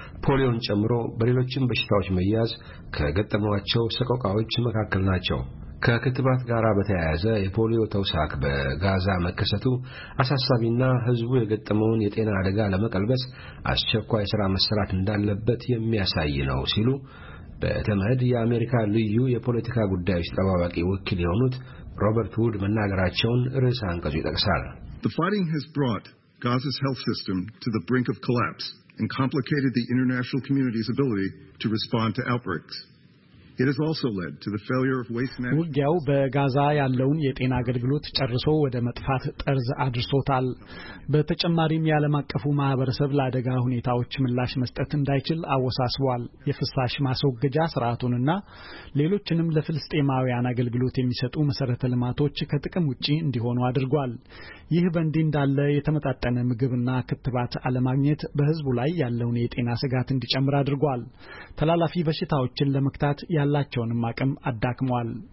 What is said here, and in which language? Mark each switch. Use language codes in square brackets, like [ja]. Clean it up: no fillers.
[am] ፖሊዮን ጨምሮ በሌሎችም በሽታዎች መያዝ ከገጠሟቸው ሰቆቃዎች መካከል ናቸው። ከክትባት ጋር በተያያዘ የፖሊዮ ተውሳክ በጋዛ መከሰቱ አሳሳቢና ህዝቡ የገጠመውን የጤና አደጋ ለመቀልበስ አስቸኳይ ስራ መስራት እንዳለበት የሚያሳይ ነው ሲሉ በተመድ የአሜሪካ ልዩ የፖለቲካ ጉዳዮች ተባባቂ ወኪል የሆኑት ሮበርት ውድ መናገራቸውን ርዕሰ አንቀጹ ይጠቅሳል። [en] The fighting has brought Gaza's health system to the brink of collapse and complicated the international community's ability to respond to outbreaks. It has also led to the failure of waste management. [am] ውጊያው በጋዛ ያለውን የጤና አገልግሎት ጨርሶ ወደ መጥፋት ጠርዝ አድርሶታል። በተጨማሪም ያለም አቀፉ ማህበረሰብ ለአደጋ ሁኔታዎች ምላሽ መስጠት እንዳይችል አወሳስቧል። የፍሳሽ ማስወገጃ ስርዓቱንና ሌሎችንም ለፍልስጤማውያን አገልግሎት የሚሰጡ መሰረተ ልማቶች ከጥቅም ውጪ እንዲሆኑ አድርጓል። ይህ በእንዲህ እንዳለ የተመጣጠነ ምግብና ክትባት አለማግኘት በህዝቡ ላይ ያለውን የጤና ስጋት እንዲጨምር አድርጓል። ተላላፊ በሽታዎችን ለመክታት ያላቸውን ማቀም አዳክሟል።